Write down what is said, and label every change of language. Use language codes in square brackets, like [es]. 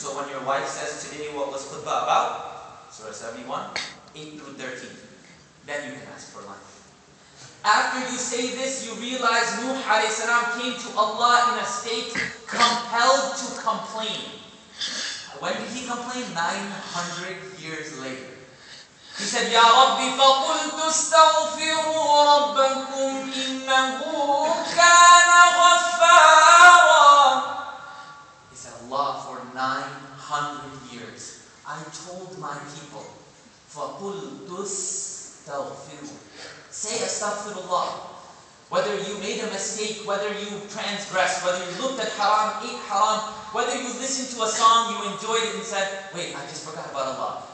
[en] So when your wife says today, what was khutbah about? Surah 71, 8 through 13. Then you can ask for lunch. After you say this, you realize Nuh alayhi salam came to Allah in a state compelled to complain. When did he complain? 900 years later. He said, [ar] Ya Rabbi, فَقُلْتُ اسْتَغْفِرُوا رَبَّكُمْ إِنَّهُ كَانَ غَفَّارًا. [en] He said, Allah, for 900 years, I told my people, [ar] فَقُلْتُ اسْتَغْفِرُوا. [en] Say astaghfirullah. Whether you made a mistake, whether you transgressed, whether you looked at haram, ate haram, whether you listened to a song, you enjoyed it and said, wait, I just forgot about Allah.